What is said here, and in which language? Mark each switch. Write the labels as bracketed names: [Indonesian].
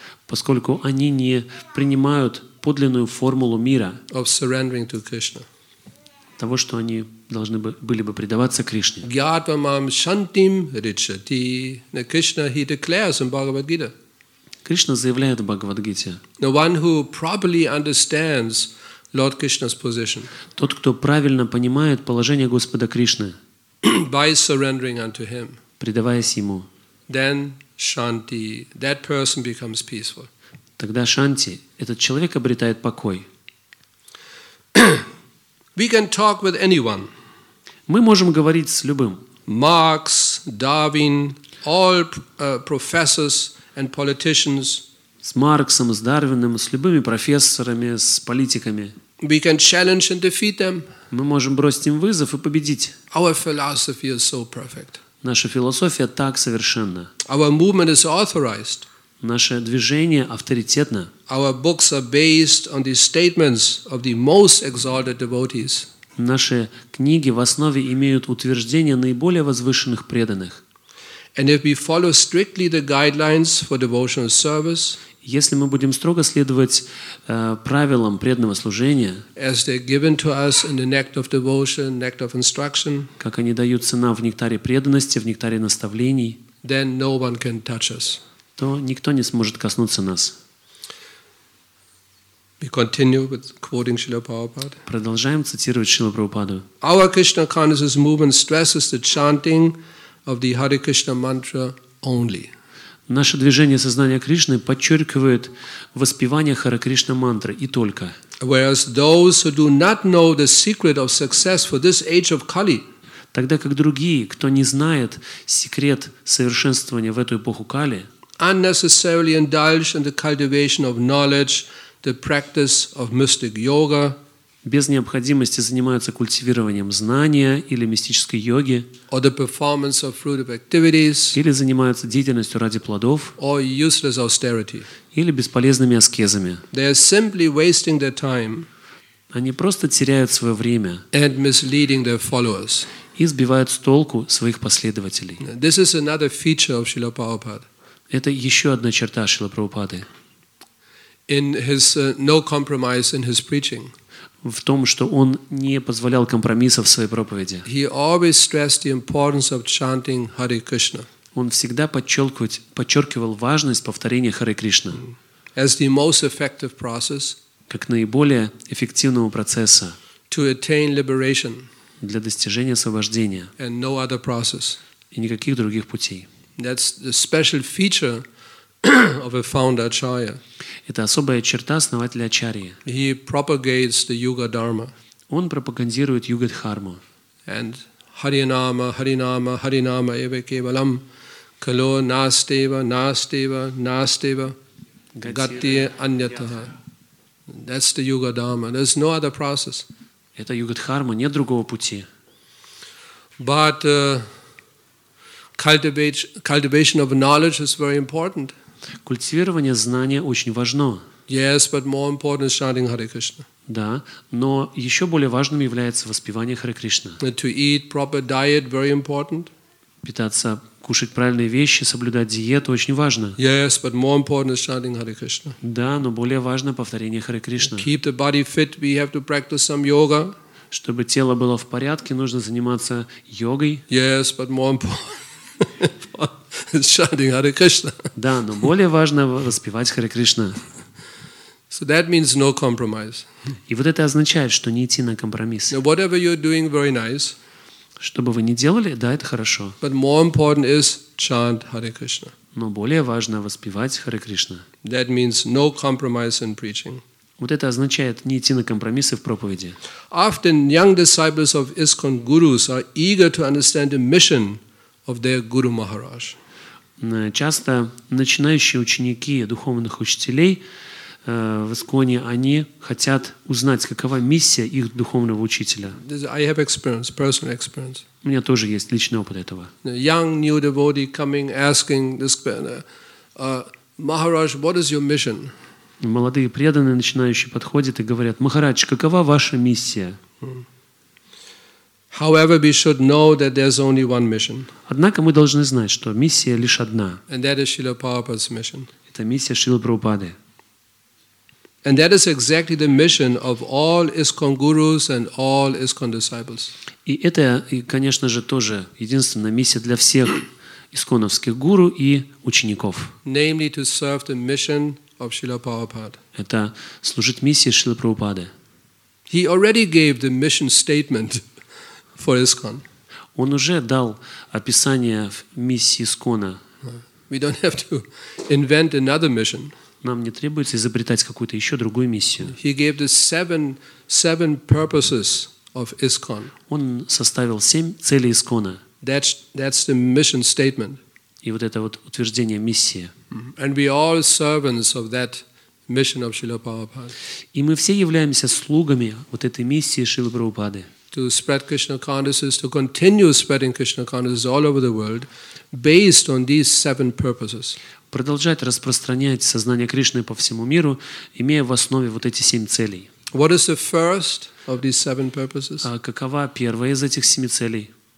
[Russian] Поскольку они не принимают подлинную формулу мира. [English] Of surrendering to Krishna. [Russian] Того, что они должны были бы предаваться Кришне. [Sanskrit] Гьятвамам шантим ричати. На Кришна [English] he declares in [Sanskrit] Бхагавад-гита. [Russian] Кришна заявляет в Бхагавад-гите. [English] The one who properly understands Lord Krishna's position. [Russian] Тот, кто правильно понимает положение Господа Кришны. [English] By surrendering unto him. [Russian] Предаваясь ему. [English] Then shanti, that person becomes peaceful. [Russian] Тогда шанти, этот человек обретает покой. [English] We can talk with anyone. [Russian] Мы можем говорить с любым. [English] Marx, Darwin, all professors and politicians. [Russian] С Марксом, с Дарвином, с любыми профессорами, с политиками. [English] We can challenge and defeat them. [Russian] Мы можем бросить им вызов и победить. [English] Our philosophy is so perfect. [Russian] Наша философия так совершенна. [English] Our movement is authorized. [Russian] Наше движение авторитетно. [English] Our books are based on the statements of the most exalted devotees. [Russian] Наши книги в основе имеют утверждения наиболее возвышенных преданных. [English] And if we follow strictly the guidelines for devotional service, [Russian] если мы будем строго следовать правилам преданного служения, [English] as they're given to us in the nectar of devotion, nectar of instruction, [Russian] как они даются нам в нектаре преданности, в нектаре наставлений, [English] then no one can touch us. [Russian] То никто не сможет коснуться нас. [English] We continue with quoting Srila Prabhupada. [Russian] Продолжаем цитировать Шрилу Прабхупаду. [English] Our Krishna consciousness movement stresses the chanting of the Hare Krishna mantra only. [Russian] Наше движение сознания Кришны подчеркивает воспевание Харе Кришна мантры и только. [English] Whereas those who do not know the secret of success for this age of Kali, [Russian] тогда как другие, кто не знает секрет совершенствования в эту эпоху Кали, [English] unnecessarily indulge in the cultivation of knowledge, the practice of mystic yoga, [Russian] без необходимости занимаются культивированием знания или мистической йоги, [English] or the performance of fruitive activities, [Russian] или занимаются деятельностью ради плодов, [English] or useless austerity, [Russian] или бесполезными аскезами. [English] They are simply wasting their time, [Russian] они просто теряют свое время, [English] and misleading their followers, [Russian] и сбивают с толку своих последователей. [English] This is another feature of Srila Prabhupada. [Russian] Это еще одна черта Шрилы Прабхупады. [English] In his no compromise in his preaching. [Russian] В том, что он не позволял компромиссов в своей проповеди. [English] He always stressed the importance of chanting Hare Krishna. [Russian] Он всегда подчеркивал важность повторения Харе Кришна. [English] As the most effective process. [Russian] Как наиболее эффективного процесса. [English] To attain liberation. [Russian] Для достижения освобождения. [English] And no other process. [Russian] И никаких других путей. [English] That's the special feature of a founder acharya. [Russian] Это особая черта основателя ачарьи. [English] He propagates the yuga dharma. [Russian] Он пропагандирует юга дхарму. [Sanskrit] And харинама, харинама, харинама, эва кевалам, кало настева, настева, настева, гатия аньятаха. [English] That's the yuga dharma. There's no other process. [Russian] Это юга дхарма, нет другого пути. [English] But cultivation of knowledge is very important. [Russian] Культивирование знания очень важно. [English] Yes, but more important is chanting Hare Krishna. [Russian] Да, но еще более важным является воспевание Харе Кришна. [English] To eat proper diet very important. [Russian] Питаться, кушать правильные вещи, соблюдать диету очень важно. [English] Yes, but more important is chanting Hare Krishna. [Russian] Да, но более важно повторение Харе Кришна. [English] Keep the body fit, we have to practice some yoga. [Russian] Чтобы тело было в порядке, нужно заниматься йогой. [English] Yes, but more important. Chanting Hare Krishna. [Russian] Да, но более важно воспевать Харе Кришна. [English] So that means no compromise. [Russian] И вот это означает, что не идти на компромисс. [English] Now, whatever you're doing, very nice. [Russian] Что бы вы ни делали, да, это хорошо. [English] But more important is chant Hare Krishna. [Russian] Но более важно воспевать Харе Кришна. [English] That means no compromise in preaching. [Russian] Вот это означает не идти на компромиссы в проповеди. [English] Often young disciples of ISKCON gurus are eager to understand the mission of their Guru Maharaj. [Russian] Часто начинающие ученики духовных учителей в Исконе, они хотят узнать, какова миссия их духовного учителя. [English] I have experience, personal experience. [Russian] У меня тоже есть личный опыт этого. [English] Young new devotee coming asking this Maharaj, what is your mission? [Russian] Молодые преданные начинающие подходят и говорят: Махарадж, какова ваша миссия? [English] However, we should know that there's only one mission. [Russian] Однако мы должны знать, что миссия лишь одна. [English] And that is Srila Prabhupada's mission. [Russian] Это миссия Шрилы Прабхупады. [English] And that is exactly the mission of all ISKCON gurus and all ISKCON disciples. [Russian] И это, конечно же, тоже единственная миссия для всех исконовских гуру и учеников. [English] Namely, to serve the mission of Srila Prabhupada. [Russian] Это служить миссии Шрилы Прабхупады. [English] He already gave the mission statement. For ISKCON. [Russian] Он уже дал описание миссии ИСКОНа. [English] We don't have to invent another mission. [Russian] Нам не требуется изобретать какую-то еще другую миссию. [English] He gave the seven purposes of ISKCON. [Russian] Он составил семь целей ИСКОНа. [English] That's the mission statement. [Russian] И вот это вот утверждение миссии. [English] And we are all servants of that mission of Srila Prabhupada. [Russian] И мы все являемся слугами вот этой миссии Шрилы Прабхупады. [English] To spread Krishna consciousness, to continue spreading Krishna consciousness all over the world, based on these seven purposes. [Russian] Продолжать распространять сознание Кришны по всему миру, имея в основе вот эти семь целей. [English] What is the first of these seven purposes? [Russian] А какова первая из этих семи целей?